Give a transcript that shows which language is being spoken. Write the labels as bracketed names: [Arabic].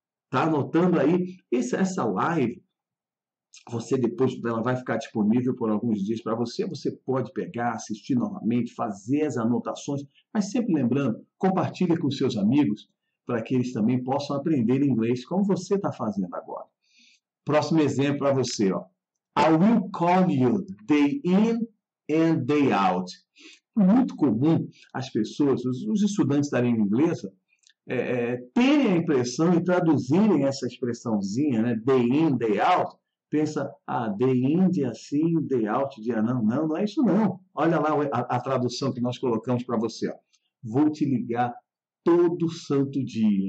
[Portuguese] Tá anotando aí? Essa live, você depois ela vai ficar disponível por alguns dias para você. Você pode pegar, assistir novamente, fazer as anotações, mas sempre lembrando, compartilhe com seus amigos para que eles também possam aprender inglês como você está fazendo agora. Próximo exemplo para você, ó. [English] I will call you day in and day out. [Portuguese] Muito comum as pessoas, os estudantes da língua inglesa, terem a impressão e traduzirem essa expressãozinha, né? [English] Day in, day out. [Portuguese] Pensa, ah, day in, dia sim, day out, dia não. Não, não é isso não. Olha lá a tradução que nós colocamos para você, ó. Vou te ligar todo santo dia.